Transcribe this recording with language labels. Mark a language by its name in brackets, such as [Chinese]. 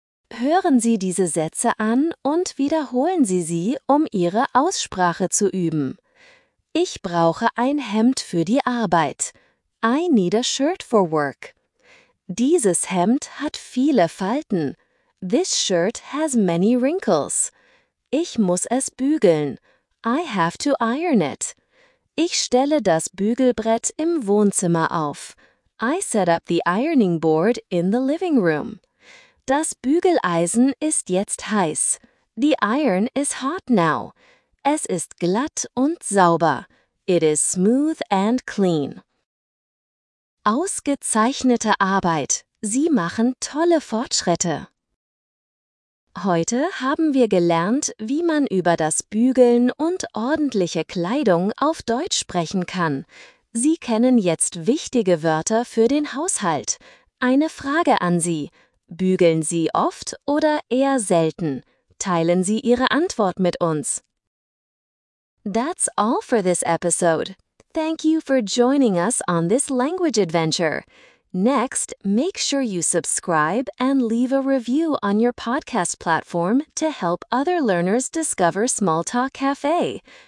[German] Hören Sie diese Sätze an und wiederholen Sie sie, um Ihre Aussprache zu üben. Ich brauche ein Hemd für die Arbeit. [English] I need a shirt for work. [German] Dieses Hemd hat viele Falten. [English] This shirt has many wrinkles. [German] Ich muss es bügeln. [English] I have to iron it. [German] Ich stelle das Bügelbrett im Wohnzimmer auf. [English] I set up the ironing board in the living room. [German] Das Bügeleisen ist jetzt heiß. [English] The iron is hot now. [German] Es ist glatt und sauber. [English] It is smooth and clean. [German] Ausgezeichnete Arbeit. Sie machen tolle Fortschritte. Heute haben wir gelernt, wie man über das Bügeln und ordentliche Kleidung auf Deutsch sprechen kann. Sie kennen jetzt wichtige Wörter für den Haushalt. Eine Frage an Sie. Bügeln Sie oft oder eher selten? Teilen Sie Ihre Antwort mit uns. [English] That's all for this episode. Thank you for joining us on this language adventure. Next, make sure you subscribe and leave a review on your podcast platform to help other learners discover Smalltalk Cafe.